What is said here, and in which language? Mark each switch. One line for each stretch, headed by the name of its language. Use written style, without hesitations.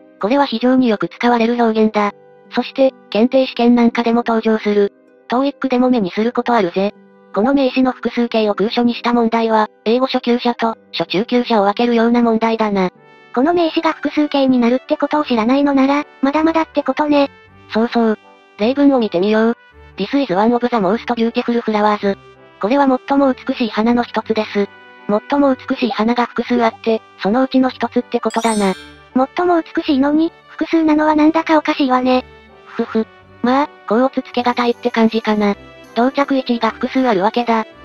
Japanese: これは非常によく使われる表現だ。そして、検定試験なんかでも登場する。 TOEIC でも目にすることあるぜ。この名詞の複数形を空所にした問題は、英語初級者と、初中級者を分けるような問題だな。この名詞が複数形になるってことを知らないのなら、まだまだってことね。そうそう。例文を見てみよう。
English: This is one of the most beautiful flowers。
Japanese: これは最も美しい花の一つです。最も美しい花が複数あって、そのうちの一つってことだな。最も美しいのに、複数なのはなんだかおかしいわね。ふふ。まあ、こうおつつけがたいって感じかな。到着位置が複数あるわけだ。